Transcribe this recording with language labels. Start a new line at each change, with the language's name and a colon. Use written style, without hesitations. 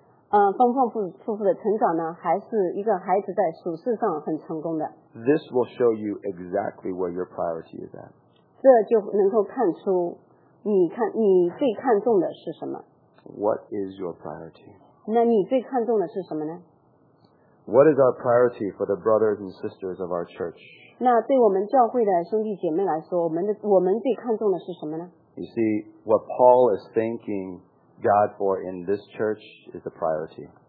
Chinese: 丰丰富富的成长呢，还是一个孩子在属事上很成功的？
English: This will show you exactly where your priority is at.
Chinese: 这就能够看出你最看重的是什么？
English: What is your priority?
Chinese: 那你最看重的是什么呢？
English: What is our priority for the brothers and sisters of our church?
Chinese: 那对我们教会的兄弟姐妹来说，我们最看重的是什么呢？
English: You see, what Paul is thanking God for in this church is the priority.